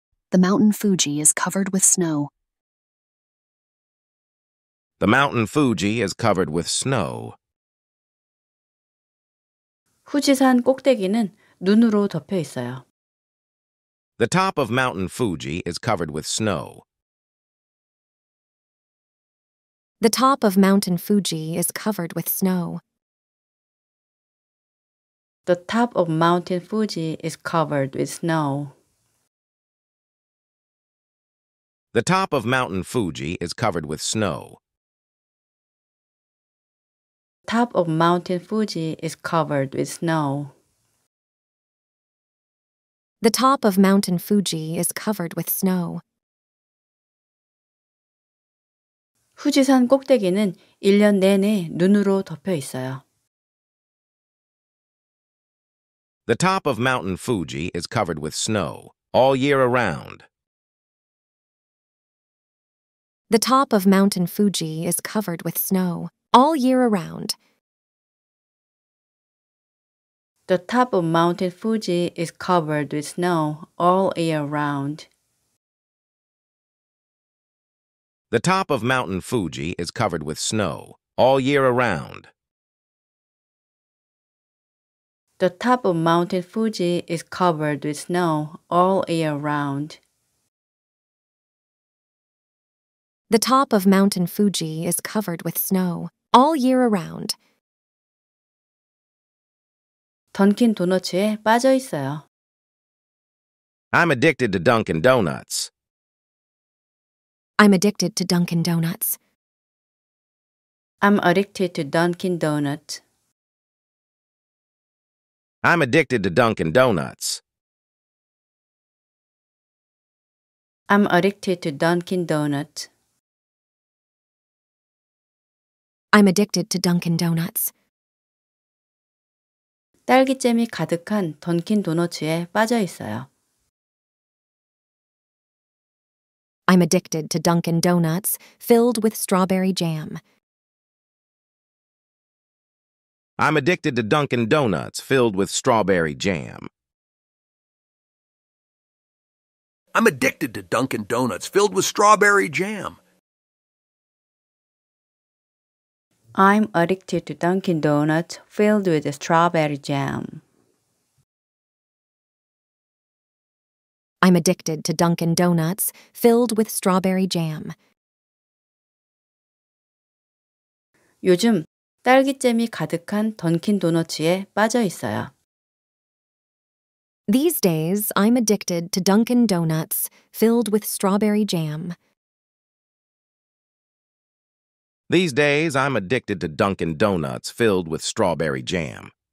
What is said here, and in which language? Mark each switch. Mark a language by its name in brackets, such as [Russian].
[English] The mountain Fuji is covered with snow. The mountain Fuji is covered with snow. [Korean] 후지산 꼭대기는 눈으로 덮여 있어요. [English] The top of mountain Fuji is covered with snow. The top of mountain Fuji is covered with snow. The top of mountain Fuji is covered with snow. The top of mountain Fuji is covered with snow. Top of mountain Fuji is covered with snow. The top of mountain Fuji is covered with snow. [Korean] 후지산 꼭대기는 1년 내내 눈으로 덮여 있어요. [English] The top of mountain Fuji is covered with snow all year around. The top of mountain Fuji is covered with snow all year around. The top of Mountain Fuji is covered with snow all year round. The top of Mountain Fuji is covered with snow all year round. The top of Mountain Fuji is covered with snow all year round. The top of Mountain Fuji is covered with snow all year around. [Korean] 던킨 도너츠에 빠져 있어요. [English] I'm addicted to Dunkin' Donuts. I'm addicted to Dunkin' Donuts. I'm addicted to Dunkin' Donuts. I'm addicted to Dunkin' Donuts. I'm addicted to Dunkin' Donuts. I'm addicted to Dunkin' Donuts. [Korean] 딸기잼이 가득한 던킨 도너츠에 빠져 있어요. [English] I'm addicted to Dunkin' Donuts filled with strawberry jam. I'm addicted to Dunkin' Donuts filled with strawberry jam. I'm addicted to Dunkin' Donuts filled with strawberry jam. I'm addicted to Dunkin' Donuts filled with strawberry jam. I'm addicted to Dunkin' Donuts filled with strawberry jam. [Korean] 요즘 딸기잼이 가득한 던킨 도너츠에 빠져 있어요. [English] These days, I'm addicted to Dunkin' Donuts filled with strawberry jam. These days, I'm addicted to Dunkin' Donuts filled with strawberry jam.